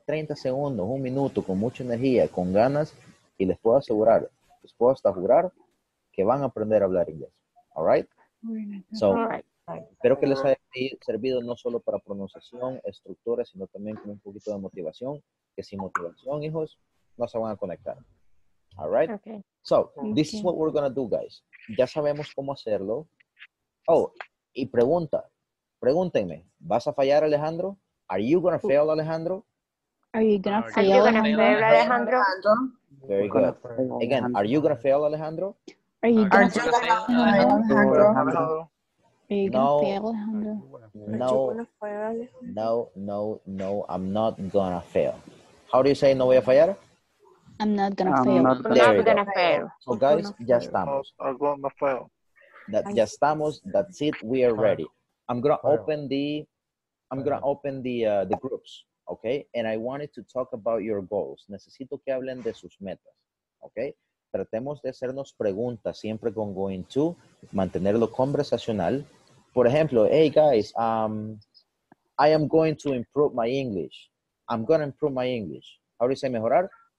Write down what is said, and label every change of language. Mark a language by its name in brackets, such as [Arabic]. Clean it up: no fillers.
[Spanish] 30 segundos, un minuto, con mucha energía, con ganas, y les puedo asegurar, les puedo hasta jurar que van a aprender a hablar inglés. [English] All right? So, all right. [Spanish] Espero que les haya servido no solo para pronunciación, estructura, sino también con un poquito de motivación, que sin motivación, hijos, no se van a conectar. [English] All right? Okay. So, this is what we're going to do, guys. [Spanish] Ya sabemos cómo hacerlo. Oh, y pregunta. Pregúntenme, ¿vas a fallar, Alejandro? [English] Are you going to fail, Alejandro? Are you going to fail, Alejandro? Very good. Again, are you going to fail, Alejandro? Are you going to fail, Alejandro? No, I'm not gonna fail. How do you say [Spanish] no voy a fallar? [English] I'm not gonna fail. I'm not gonna fail. [Spanish] So guys, ya estamos. [English] I'm gonna fail. [Spanish] Ya estamos. [English] That's it. We are ready. I'm gonna open the groups. Okay, and I wanted to talk about your goals. [Spanish] Necesito que hablen de sus metas. Okay, tratemos de hacernos preguntas siempre con going to, mantenerlo conversacional. Por ejemplo, [English] hey guys, I am going to improve my English. I'm gonna improve my English. How do you say mejorar?